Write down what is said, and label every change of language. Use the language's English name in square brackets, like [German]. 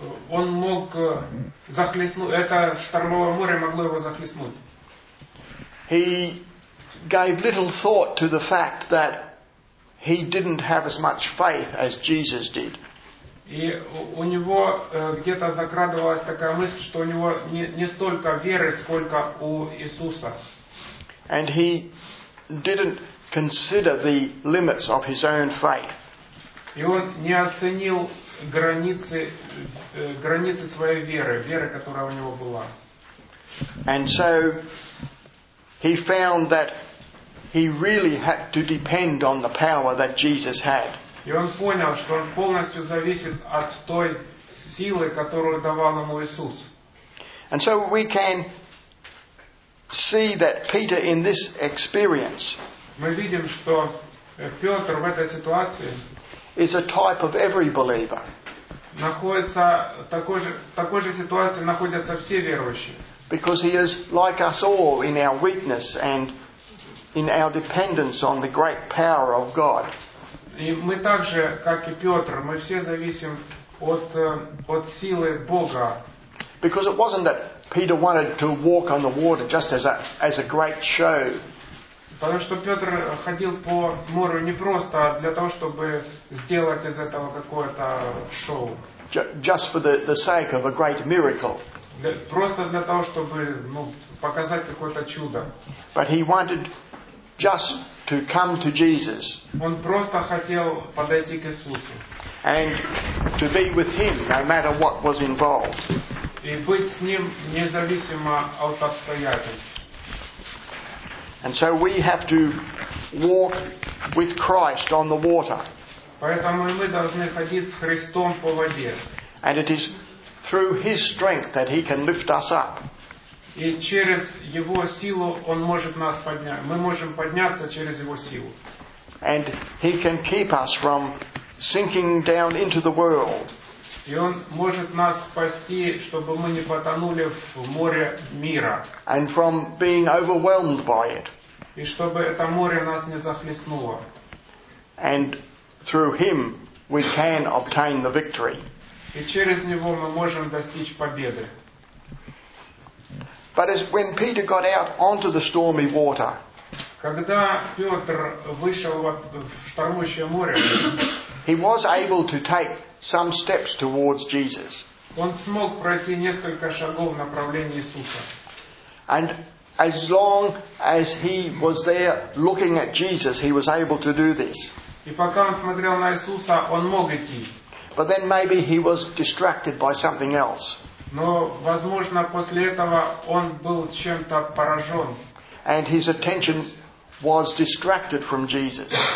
[Russian] Он мог захлестнуть, это штормовое море могло его захлестнуть. [English] He gave little thought to the fact that he didn't have as much faith as Jesus did. [Russian] И у него где-то закрадывалась такая мысль, что у него не столько веры, сколько у Иисуса. [English] And he didn't consider the limits of his own faith. [Russian] И он не оценил границы своей веры, которая у него была. [English] And so he found that he really had to depend on the power that Jesus had. [Russian] И он понял, что он полностью зависит от той силы, которую давал ему Иисус. [English] And so we can see that Peter in this experience. [Russian] Мы видим, что Петр в этой ситуации [English] is a type of every believer. [Russian] Находится такой же ситуации находятся все верующие. [English] Because he is like us all in our weakness and in our dependence on the great power of God. [Russian] И мы также, как и Петр, мы все зависим от силы Бога. [English] Because it wasn't that Peter wanted to walk on the water just as a great show. [Russian] Потому что Петр ходил по морю не просто для того, чтобы сделать из этого какое-то шоу. [English] Just for the sake of a great miracle. [Russian] Просто для того, чтобы показать какое-то чудо. [English] But he wanted just to come to Jesus. [Russian] Он просто хотел подойти к Иисусу. [English] And to be with him, no matter what was involved. [Russian] И быть с ним независимо от обстоятельств. [English] And so we have to walk with Christ on the water. [Russian] Поэтому мы должны ходить с Христом по воде. [English] And it is through His strength that He can lift us up. [Russian] И через Его силу Он может нас поднять. Мы можем подняться через Его силу. [English] And He can keep us from sinking down into the world. [Russian] И Он может нас спасти, чтобы мы не потонули в море мира. [English] And from being overwhelmed by it. [Russian] И чтобы это море нас не захлестнуло. [English] And through Him we can obtain the victory. [Russian] И через Него мы можем достичь победы. [English] But as when Peter got out onto the stormy water, [Russian] когда Петр вышел в штормящее море, [English] he was able to take some steps towards Jesus. [Russian] Он смог пройти несколько шагов в направлении Иисуса. [English] And as long as he was there looking at Jesus, he was able to do this. [Russian] И пока он смотрел на Иисуса, он мог идти. [English] But then maybe he was distracted by something else. [Russian] Но, возможно, после этого он был чем-то поражен. [English] And his attention was distracted from Jesus.